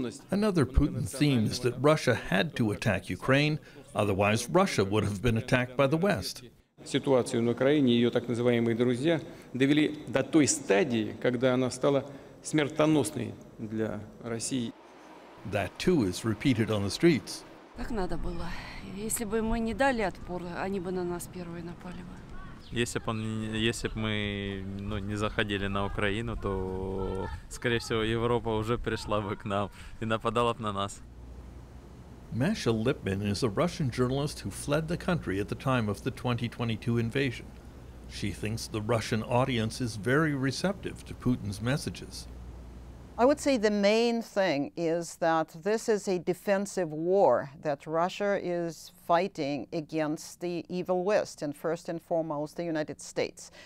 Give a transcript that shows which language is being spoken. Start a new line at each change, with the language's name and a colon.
English: Another Putin theme is that Russia had to attack Ukraine, otherwise Russia would have been attacked by the West.
Russian: Ситуацию на Украине и её так называемые друзья довели до той стадии, когда она стала смертоносной для России.
English: That too is repeated on the streets.
Russian: Как надо было. Если бы мы не дали отпор, они бы на нас первые напали бы. Если бы мы не заходили на Украину, то, скорее всего, Европа уже пришла бы к нам и нападала бы на нас.
English: Masha Lipman is a Russian journalist who fled the country at the time of the 2022 invasion. She thinks the Russian audience is very receptive to Putin's messages. I would say the main thing is that this is a defensive war, that Russia is fighting against the evil West, and first and foremost, the United States.